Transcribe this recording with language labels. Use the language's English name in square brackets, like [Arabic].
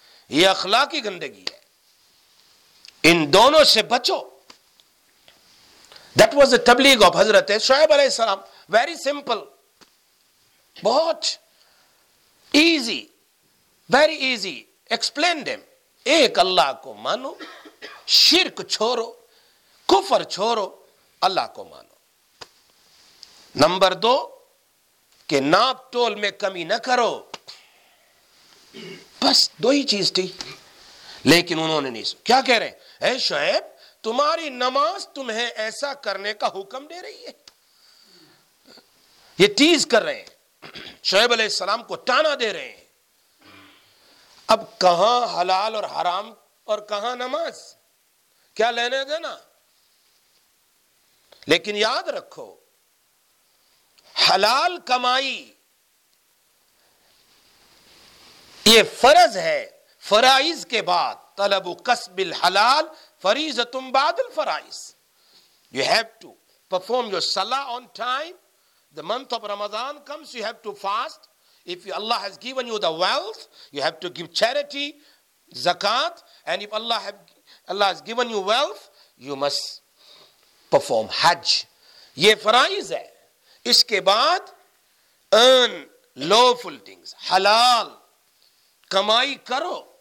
[Urdu] یہ اخلاقی گندگی ہے, ان دونوں سے بچو. [English] That was the tabligh of حضرت شعیب علیہ السلام. Very simple, بہت easy, very easy. Explain them, [Urdu] ایک اللہ کو مانو, شرک چھوڑو, کفر چھوڑو, اللہ کو مانو. نمبر دو کہ ناپ تول میں کمی نہ کرو, بس دو ہی چیز تھی. لیکن انہوں نے نہیں سنا. کیا کہہ رہے ہیں؟ اے شعیب تمہاری نماز تمہیں ایسا کرنے کا حکم دے رہی ہے, یہ تیز کر رہے ہیں, شعیب علیہ السلام کو تانا دے رہے ہیں. اب کہاں حلال اور حرام اور کہاں نماز, کیا لینے دینا؟ لیکن یاد رکھو حلال کمائی یہ فرض ہے, فرائض کے بعد. [Arabic] طلب کسب الحلال فریضۃ بعد الفرائض. [English] You have to perform your صلاۃ on time. The month of Ramadan comes, you have to fast. If Allah has given you the wealth, you have to give charity, zakat. And if Allah has given you wealth, you must perform hajj. [Urdu] یہ فرائض ہے. اس کے بعد [English] earn lawful things, [Urdu] حلال کمائی کرو.